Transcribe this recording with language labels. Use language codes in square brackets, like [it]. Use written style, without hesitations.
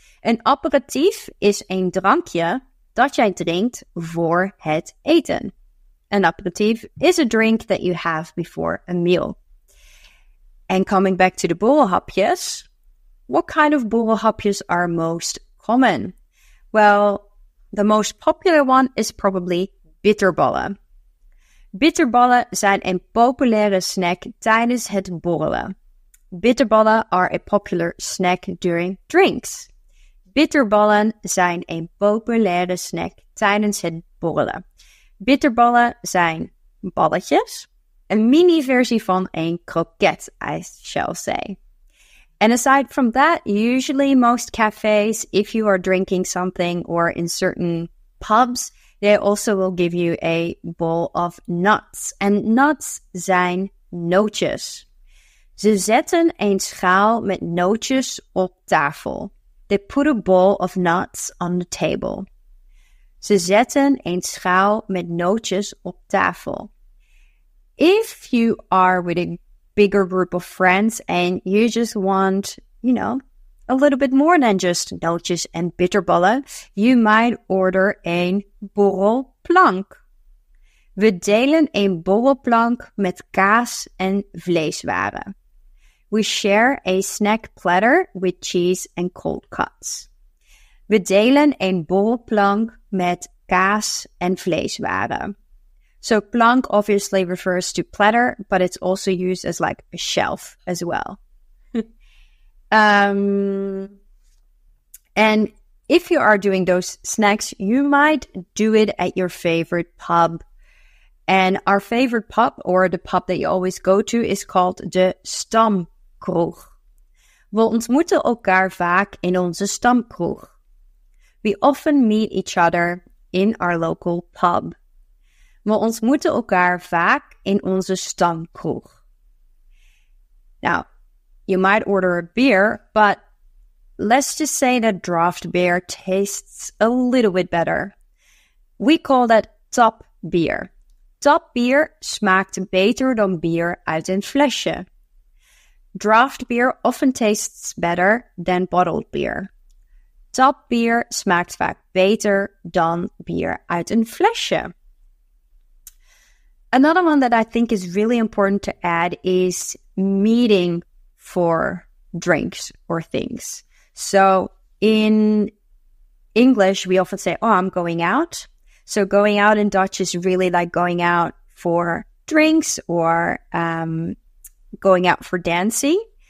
[nl] An aperitief is een drankje dat jij drinkt voor het eten. [en] An aperitief is a drink that you have before a meal. And coming back to the borrelhapjes, what kind of borrelhapjes are most common? Well, the most popular one is probably bitterballen. [nl] Bitterballen zijn een populaire snack tijdens het borrelen. [en] Bitterballen are a popular snack during drinks. [nl] Bitterballen zijn een populaire snack tijdens het borrelen. Bitterballen zijn balletjes, een mini-versie van een kroket, [en] I shall say. And aside from that, usually most cafes, if you are drinking something or in certain pubs, they also will give you a bowl of nuts. And nuts [nl] zijn nootjes. Ze zetten een schaal met nootjes op tafel. [en] They put a bowl of nuts on the table. [nl] Ze zetten een schaal met nootjes op tafel. [en] If you are with a bigger group of friends and you just want, you know, a little bit more than just nootjes and bitterballen, you might order een borrelplank. [nl] We delen een borrelplank met kaas en vleeswaren. [en] We share a snack platter with cheese and cold cuts. [nl] We delen een borrelplank met kaas en vleeswaren. [en] So plank obviously refers to platter, but it's also used as like a shelf as well. And if you are doing those snacks, you might do it at your favorite pub. And our favorite pub, or the pub that you always go to, is called de Stamkroeg. We ontmoeten elkaar vaak in onze stamkroeg. We often meet each other in our local pub. We ontmoeten elkaar vaak in onze stamkroeg. Now, you might order a beer, but let's just say that draft beer tastes a little bit better. We call that tap beer. [nl] Tap beer smaakt beter dan bier uit een flesje. [en] Draft beer often tastes better than bottled beer. [nl] Tap beer smaakt vaak beter dan bier uit een flesje. [en] Another one that I think is really important to add is meeting for drinks or things. So in English, we often say, oh, I'm going out. So going out in Dutch is really like going out for drinks or going out for dancing.